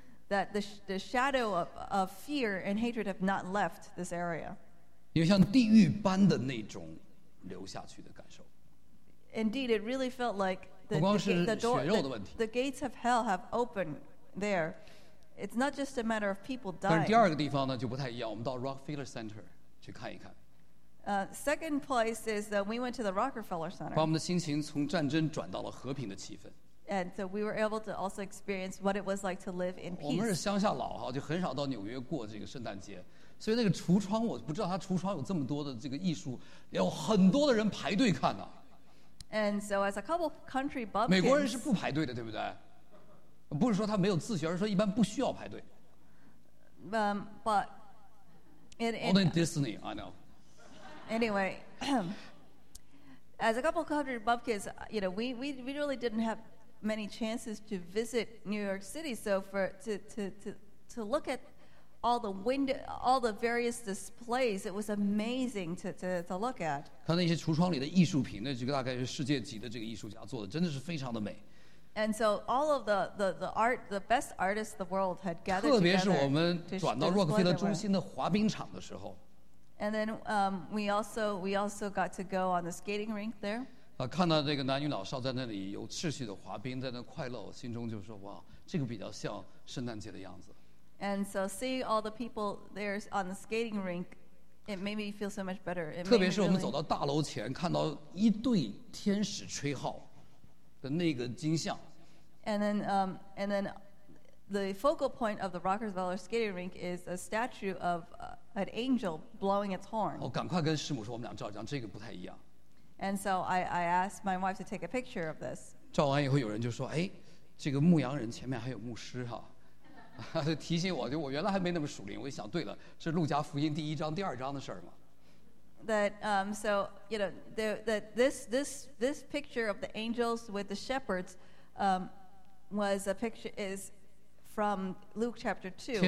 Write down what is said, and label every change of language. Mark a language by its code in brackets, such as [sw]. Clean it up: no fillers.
[en] That the shadow of fear and hatred have not left this area. [zh] 有像地狱般的那种留下去的感受。 [en] Indeed, it really felt like the [zh] 不光是血肉的问题。 [en] The gates of hell have opened there. It's not just a matter of people dying. [zh] 但是第二个地方呢就不太一样。我们到 Rockefeller Center 去看一看。 [en] Second place is that we went to the Rockefeller Center. [zh] 把我们的心情从战争转到了和平的气氛。 [en] And so we were able to also experience what it was like to live in peace. [zh] 我们是乡下佬哈，就很少到纽约过这个圣诞节。所以那个橱窗，我不知道他橱窗有这么多的这个艺术，有很多的人排队看呢。 [en] And so as a couple country bumpkins, [zh] 美国人是不排队的，对不对？不是说他没有自学，而是说一般不需要排队。 [en] But it only Disney, I know. Anyway, as a couple country bumpkins, you know, we really didn't have many chances to visit New York City, so for to look at all the window, all the various displays, it was amazing to look at. [zh] 看那些橱窗里的艺术品，那这个大概是世界级的这个艺术家做的，真的是非常的美。 [en] And so all of the art, the best artists the world had gathered together. [zh] 特别是我们转到洛克菲勒中心的滑冰场的时候。 [en] And then we also got to go on the skating rink there. [zh] 看到这个男女老少在那里有秩序的滑冰，在那快乐，我心中就说哇，这个比较像圣诞节的样子。 [en] And so seeing all the people there on the skating rink, it made me feel so much better. [zh] 特别是我们走到大楼前，看到一对天使吹号的那个景象。 [en] And then the focal point of the Rockefeller skating rink is a statue of an angel blowing its horn. [zh] 我赶快跟师母说，我们俩照张，这个不太一样。 [en] And so I asked my wife to take a picture of this. [zh] 照完以后，有人就说，哎，这个牧羊人前面还有牧师哈。提醒我，就我原来还没那么熟练，我一想，对了，是路加福音第一章、第二章的事儿嘛。 [en] That so you know that this picture of the angels with the shepherds, was a picture is from Luke chapter 2.